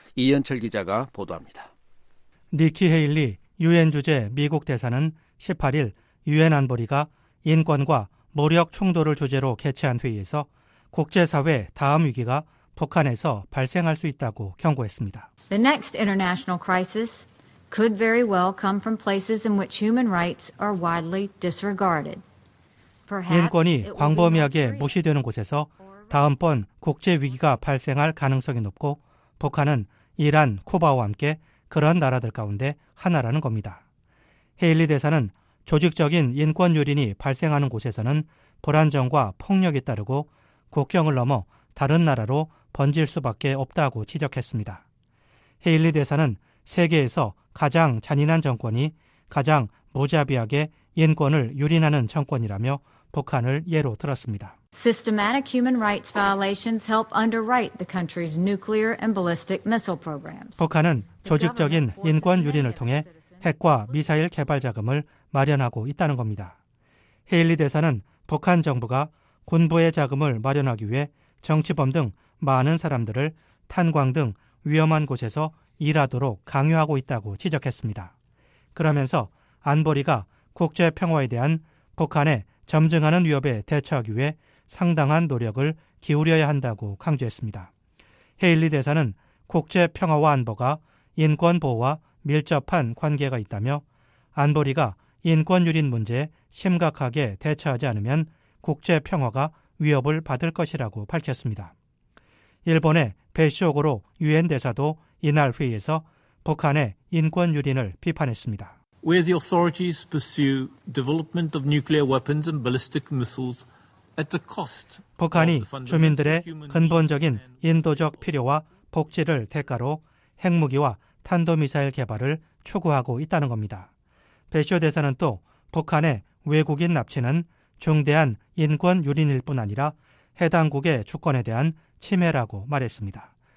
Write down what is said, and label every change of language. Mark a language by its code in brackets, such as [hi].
[ko] 이현철 기자가 보도합니다. 니키 헤일리 유엔 주재 미국 대사는 18일 유엔 안보리가 인권과 무력 충돌을 주제로 개최한 회의에서 국제사회 다음 위기가 북한에서 발생할 수 있다고 경고했습니다. [en] The next international crisis could very well come from places in which human rights are widely disregarded. [ko] 인권이 광범위하게 무시되는 곳에서 다음번 국제 위기가 발생할 가능성이 높고 북한은 이란, 쿠바와 함께 그런 나라들 가운데 하나라는 겁니다. 헤일리 대사는 조직적인 인권 유린이 발생하는 곳에서는 불안정과 폭력이 따르고 국경을 넘어 다른 나라로 번질 수밖에 없다고 지적했습니다. 헤일리 대사는 세계에서 가장 잔인한 정권이 가장 무자비하게 인권을 유린하는 정권이라며 북한을 예로 들었습니다. [en] Systematic human rights violations help underwrite the country's nuclear and ballistic missile programs. [ko] 북한은 조직적인 인권 유린을 통해 핵과 미사일 개발 자금을 마련하고 있다는 겁니다. 헤일리 대사는 북한 정부가 군부의 자금을 마련하기 위해 정치범 등 많은 사람들을 탄광 등 위험한 곳에서 일하도록 강요하고 있다고 지적했습니다. 그러면서 안보리가 국제 평화에 대한 북한의 점증하는 위협에 대처하기 위해 상당한 노력을 기울여야 한다고 강조했습니다. 헤일리 대사는 국제 평화와 안보가 인권 보호와 밀접한 관계가 있다며 안보리가 인권 유린 문제에 심각하게 대처하지 않으면 국제 평화가 위협을 받을 것이라고 밝혔습니다. 일본의 베쇼고로 유엔 대사도 이날 회의에서 북한의 인권 유린을 비판했습니다. [en] Where the authorities pursue development of nuclear weapons and ballistic missiles at the cost. [ko] 북한이 주민들의 근본적인 인도적 필요와 복지를 대가로 핵무기와 탄도미사일 개발을 추구하고 있다는 겁니다. 베쇼 대사는 또 북한의 외국인 납치는 중대한 인권 유린일 뿐 아니라 해당국의 주권에 대한 침해라고 말했습니다.